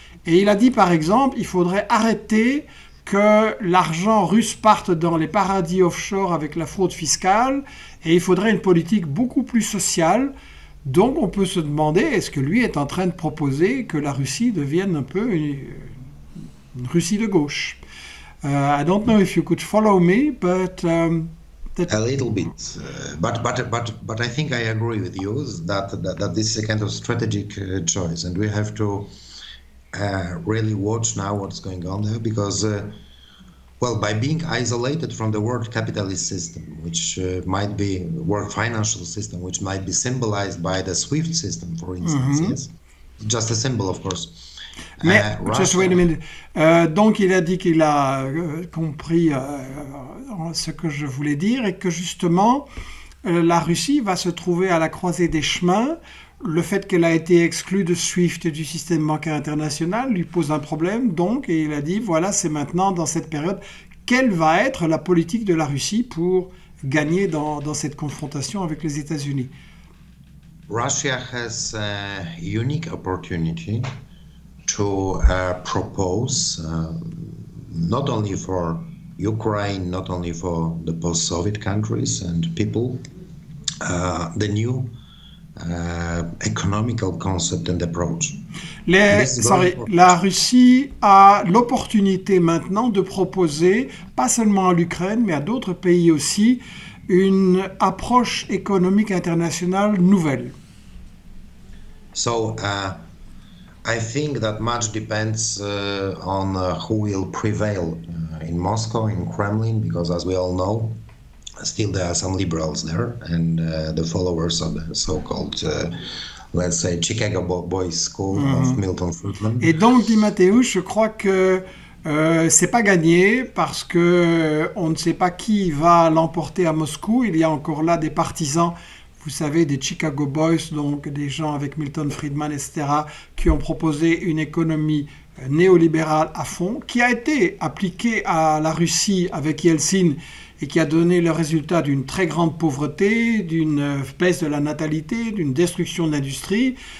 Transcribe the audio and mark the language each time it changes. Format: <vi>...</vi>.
<fr>Et il a dit par exemple, il faudrait arrêter que l'argent russe parte dans les paradis offshore avec la fraude fiscale et il faudrait une politique beaucoup plus sociale. Donc on peut se demander, est-ce que lui est en train de proposer que la Russie devienne un peu une Russie de gauche?</fr> <en>I don't know if you could follow me, but A little bit, but I think I agree with you that this is a kind of strategic choice, and we have to really watch now what's going on there because, well, by being isolated from the world capitalist system, which might be world financial system, which might be symbolized by the SWIFT system, for instance, yes, just a symbol, of course,</en> <fr>Mais,</fr> <en>just wait a Russia. minute.</en> <fr>Donc, il a dit qu'il a compris ce que je voulais dire et que justement, la Russie va se trouver à la croisée des chemins. Le fait qu'elle a été exclue de SWIFT et du système bancaire international lui pose un problème. Donc, et il a dit, voilà, c'est maintenant dans cette période, quelle va être la politique de la Russie pour gagner dans cette confrontation avec les États-Unis?</fr> <en>Russia has a unique opportunity to propose not only for Ukraine, not only for the post-Soviet countries and people, the new economical concept and approach. And this is very Sorry, important.</en> <fr>la Russie a l'opportunité maintenant de proposer, pas seulement à l'Ukraine, mais à d'autres pays aussi, une approche économique internationale nouvelle.</fr> <en>So, I think that much depends on who will prevail in Moscow, in Kremlin, because as we all know, still there are some liberals there and the followers of the so-called, let's say, Chicago Boys School of Milton</en> <fr>Et</fr> <en>Friedman.</en> <fr>donc, dit Mathéo, je crois que c'est pas gagné parce que on ne sait pas qui va l'emporter à Moscou. Il y a encore là des partisans, vous savez, des Chicago Boys, donc des gens avec Milton Friedman, etc., qui ont proposé une économie néolibérale à fond, qui a été appliquée à la Russie avec Yeltsin et qui a donné le résultat d'une très grande pauvreté, d'une baisse de la natalité, d'une destruction de l'industrie.</fr>